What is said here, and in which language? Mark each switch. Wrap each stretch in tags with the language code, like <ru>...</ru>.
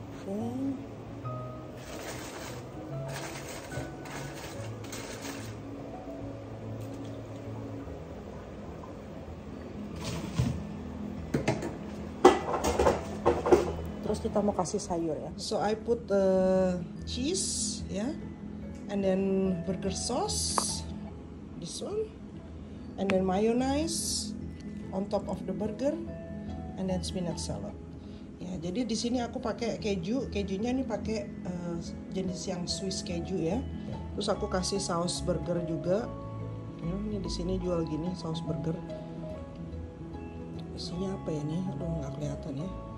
<id>Oke. Terus kita mau kasih sayur ya.</id> <en>So I put the cheese ya, yeah, and then burger sauce, this one, and then mayonnaise on top of the burger, and then spinach salad.</en> <id>Ya, yeah, jadi di sini aku pakai keju, kejunya ini pakai jenis yang Swiss keju ya. Yeah. Terus aku kasih saus burger juga. Ini di sini jual gini saus burger. Isinya apa ya nih? Aduh nggak kelihatan ya.</id>